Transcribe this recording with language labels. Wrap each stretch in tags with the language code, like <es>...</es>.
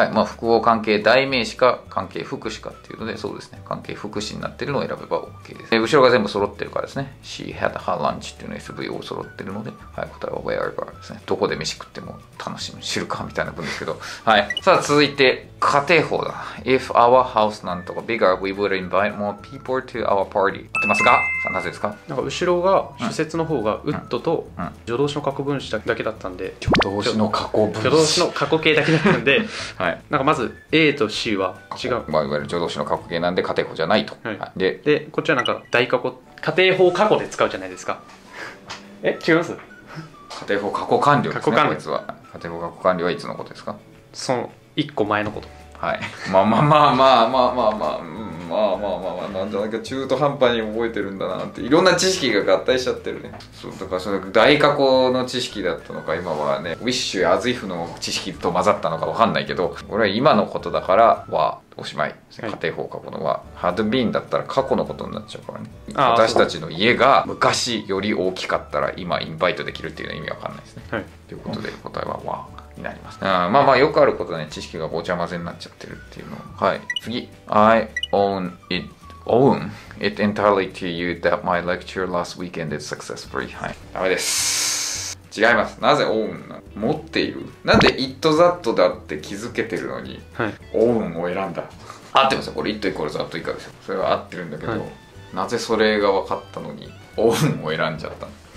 <ja>はい、まあ複合関係代名詞か関係副詞かっていうので、そうですね、関係副詞になってるのを選べば OK です。後ろが全部揃ってるからですね。</ja> <en>She had her lunch</en> <ja>っていうの SV を揃ってるので、はい、答えは wherever ですね。どこで飯食っても楽しむ、知るかみたいな文ですけど。はい、さあ続いて仮定法だ。</ja> <en>If our house</en> <ja>なんとか</ja> <en>bigger we would invite more people to our party。</en> <ja>合ってますが、さあなぜですか。なんか後ろが主節の方が would と、うんうんうん、助動詞の過去分詞だけだったんで、助動詞の過去分詞、助動詞の過去形だけだったんで、はい、なんかまず A と C は違う、まあ、いわゆる助動詞の過去形なんで仮定法じゃないと、はい、でこっちはなんか大過去、仮定法過去で使うじゃないですか。え、違います、仮定法過去完了ですね。過去完了は、仮定法過去完了はいつのことですか。その1個前のこと。はい、まあまあまあまあまあまあまあ、うん、まあまあまあまあ、なんじゃなきゃ中途半端に覚えてるんだなって、いろんな知識が合体しちゃってるね。そう、だからその大過去の知識だったのか、今はねウィッシュやアズイフの知識と混ざったのか分かんないけど、俺は今のことだからはおしまい、ね、仮定法過去のは、はい、ハドビーンだったら過去のことになっちゃうからね。ああ、私たちの家が昔より大きかったら今インバイトできるっていうのは意味分かんないですね、はい、ということで答えはわになります。あ、まあまあよくあることね、知識がごちゃ混ぜになっちゃってるっていうのは。はい、次。</ja> <en>I own it own it entirely to you that my lecture last weekend is successfully。</en> <ja>はい、ダメです、違います。なぜ own な、持っている、なんで it that だって気づけてるのに、はい、 own を選んだ。合ってますよ、これ it イコール that 以下ですよ、それは合ってるんだけど、はい、なぜそれが分かったのに own を選んじゃったの。</ja>